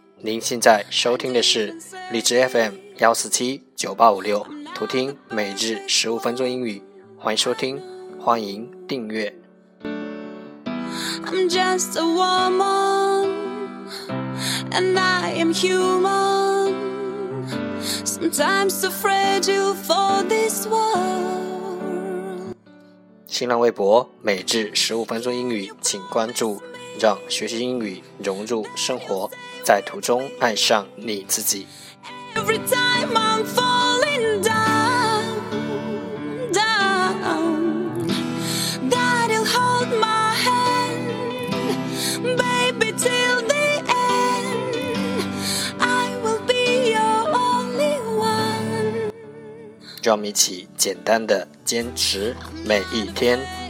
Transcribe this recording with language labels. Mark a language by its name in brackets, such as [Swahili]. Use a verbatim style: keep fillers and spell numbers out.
[Chinese] 您现在收听的是荔枝 F M 幺四七九八五六，图听每日十五分钟英语。欢迎收听，欢迎订阅。 [English] I'm just a woman, and I am human. Sometimes so fragile for this world. [Chinese] 新浪微博每日十五分钟英语，请关注，让学习英语融入生活，在途中爱上你自己。 [English] Every time I'm falling down, down, Daddy'll hold my hand, baby till the end, I will be your only one. [Chinese] 让我们一起简单的坚持每一天。